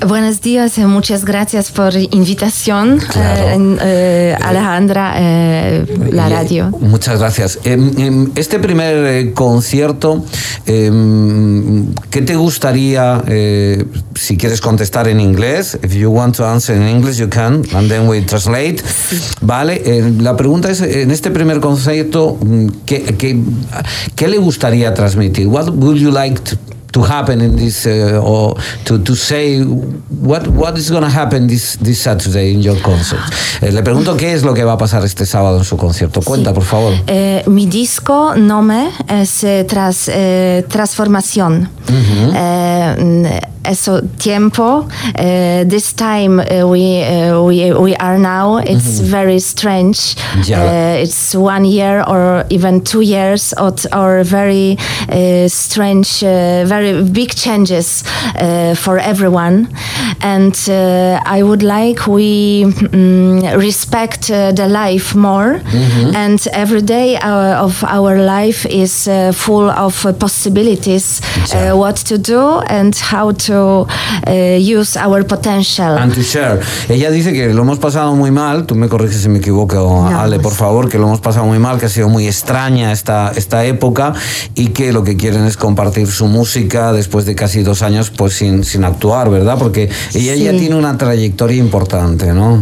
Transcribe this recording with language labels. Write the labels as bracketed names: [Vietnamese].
[Spanish] Buenos días, muchas gracias por invitación, claro. Alejandra, la radio. Muchas gracias. Este primer concierto, ¿qué te gustaría, si quieres contestar en inglés? [English] If you want to answer in English, you can, and then we translate. [Spanish] Vale, la pregunta es, en este primer concierto, ¿qué le gustaría transmitir? [English] What would you like to happen in this, or to say what is going to happen this Saturday in your concert? [Spanish] Le pregunto qué es lo que va a pasar este sábado en su concierto. Cuenta, sí. Por favor. Mi disco Nome es transformación. Uh-huh. Eso tiempo, [English] this time we are now, it's mm-hmm. very strange. Yeah. It's 1 year or even 2 years or very strange, very big changes for everyone. And I would like we respect the life more. Mm-hmm. And every day of our life is full of possibilities, yeah. What to do and how to use our potential and to share. [Spanish] Ella dice que lo hemos pasado muy mal, tú me corriges si me equivoco, no, Ale, pues por favor, que lo hemos pasado muy mal, que ha sido muy extraña esta época, y que lo que quieren es compartir su música después de casi 2 años pues sin actuar, ¿verdad? Porque ella ya sí. Tiene una trayectoria importante, ¿no?